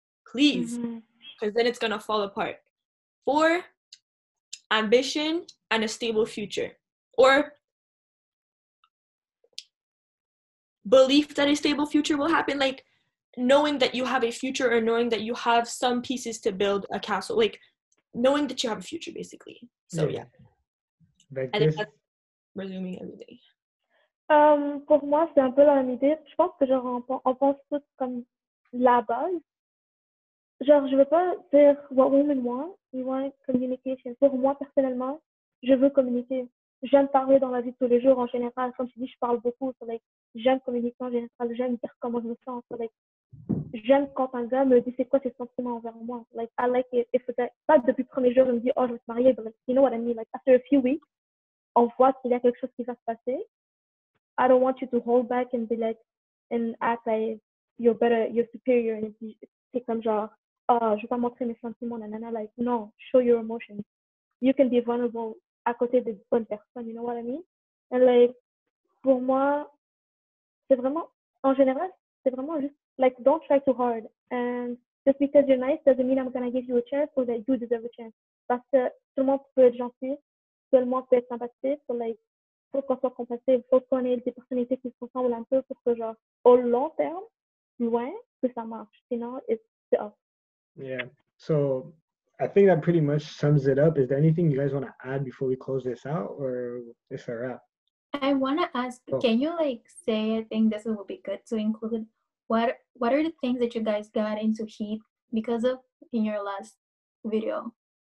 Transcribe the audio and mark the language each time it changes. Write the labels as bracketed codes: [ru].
[en] Please. Because mm-hmm. then it's going to fall apart. 4, ambition and a stable future. Or belief that a stable future will happen. Like, knowing that you have a future, or knowing that you have some pieces to build a castle. Like, knowing that you have a future, basically. So, yeah. Like, and then resuming everything. [fr] Pour moi, c'est un peu la même idée. Je pense que genre on pense tout comme la base. Genre, je veux pas dire [en] what women want. We want communication. [fr] Pour moi, personnellement, je veux communiquer. J'aime parler dans la vie de tous les jours en général. Comme tu dis, je parle beaucoup. [en] So, like, [fr] j'aime communiquer en général. J'aime dire comment je me sens. So, like, j'aime quand un gars me dit c'est quoi ses sentiments envers moi. [en] Like, I like it. If it's [fr] pas depuis le premier jour, il me dit, oh, je vais te marier. [en] But, like, you know what I mean? Like, after a few weeks, [fr] on voit qu'il y a quelque chose qui va se passer. [en] I don't want you to hold back and be like, and act like you're better, you're superior. And [fr] c'est comme genre, oh, je vais pas montrer mes sentiments, nanana. [en] Like, no, show your emotions. You can be vulnerable [fr] à côté des bonnes personnes, [en] you know what I mean? And like, [fr] pour moi, c'est vraiment, en général, c'est vraiment juste, [en] like, don't try too hard. And just because you're nice doesn't mean I'm gonna give you a chance or that you deserve a chance. [fr] Parce que tout le monde peut être gentil, tout le monde peut être sympathique, [en] so like, [fr] il faut qu'on soit compassé, il faut qu'on ait des personnalités qui se ressemblent un peu pour que, genre, au long terme, loin, que ça marche. Sinon, [en] it's off. Yeah. So, I think that pretty much sums it up. Is there anything you guys want to add before we close this out, or is it a wrap? I want to ask, can you, like, say, I think this would be good to include, what are the things that you guys got into heat because of in your last video?